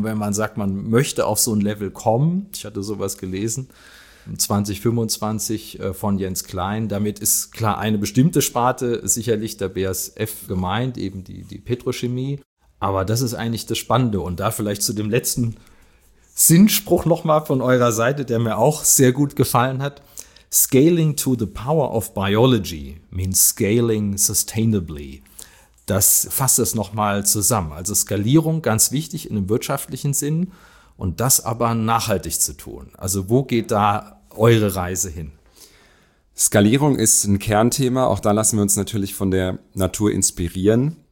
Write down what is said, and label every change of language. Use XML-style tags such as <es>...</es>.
<de>Und wenn man sagt, man möchte auf so ein Level kommen, ich hatte sowas gelesen, 2025 von Jens Klein. Damit ist klar eine bestimmte Sparte sicherlich der BASF gemeint, eben die Petrochemie. Aber das ist eigentlich das Spannende. Und da vielleicht zu dem letzten Sinnspruch nochmal von eurer Seite, der mir auch sehr gut gefallen hat.</de> <en>Scaling to the power of biology means scaling sustainably.</en> <de>Das fasst es nochmal zusammen. Also Skalierung ganz wichtig in einem wirtschaftlichen Sinn. Und das aber nachhaltig zu tun. Also wo geht da eure Reise hin? Skalierung ist ein Kernthema. Auch da lassen wir uns natürlich von der Natur inspirieren.</de>